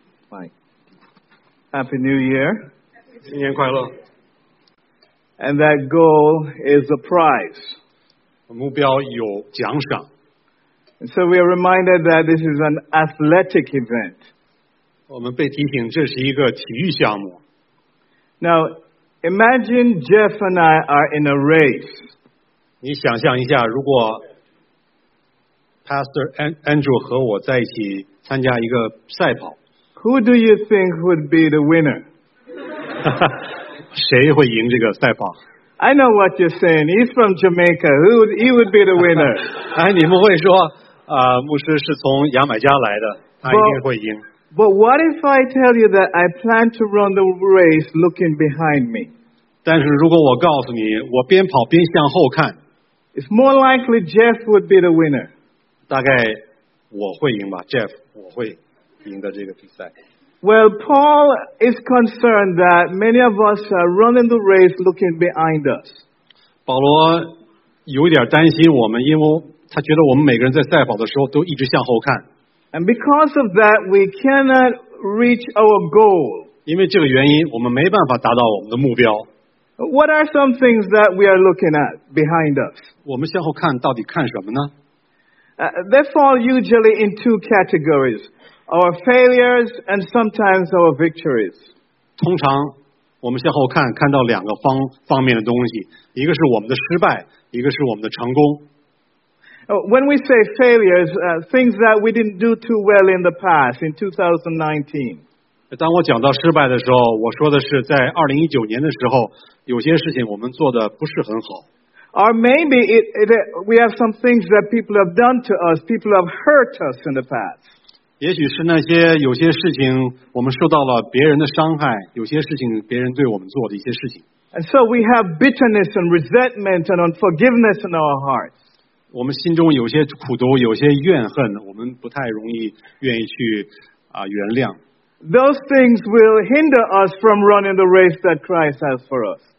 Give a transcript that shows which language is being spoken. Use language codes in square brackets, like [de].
[en] Hi. Happy New Year. [zh] 新年快乐。 [en] And that goal is a prize. [zh] 目标有奖赏。 [en] So we are reminded that this is an athletic event. [zh] 我们被提醒这是一个体育项目。 [en] Now, imagine Jeff and I are in a race. [zh] 你想象一下，如果 Pastor Andrew 和我在一起参加一个赛跑。 [en] Who do you think would be the winner? [zh] 谁会赢这个赛跑？ [en] I know what you're saying. He's from Jamaica. He would be the winner. [zh] 哎，你们会说，牧师是从牙买加来的，他一定会赢。 [en] But what if I tell you that I plan to run the race looking behind me? [zh] 但是如果我告诉你，我边跑边向后看。 [en] It's more likely Jeff would be the winner. [zh] 大概我会赢吧 ，Jeff， 我会赢得这个比赛。 [en] Well, Paul is concerned that many of us are running the race looking behind us. [zh] 保罗有点担心我们，因为他觉得我们每个人在赛跑的时候都一直向后看。 [en] And because of that, we cannot reach our goal. [zh] 因为这个原因，我们没办法达到我们的目标。 [en] What are some things that we are looking at behind us? [zh] 我们向后看到底看什么呢？ [en] They fall usually in two categories. Our failures and sometimes our victories. [zh] 通常我们向后看，看到两个方面的东西，一个是我们的失败，一个是我们的成功。 [en] When we say failures, things that we didn't do too well in the past, in 2019. [zh] 当我讲到失败的时候，我说的是在2019年的时候，有些事情我们做的不是很好。 [en] Or maybe we have some things that people have done to us, people have hurt us in the past. [zh] 也许是那些有些事情我们受到了别人的伤害，有些事情别人对我们做的一些事情。 [en] And so we have bitterness and resentment and unforgiveness in our hearts. [zh] 我们心中有些苦毒，有些怨恨，我们不太容易愿意去原谅。 [en] Those things will hinder us from running the race that Christ has for us.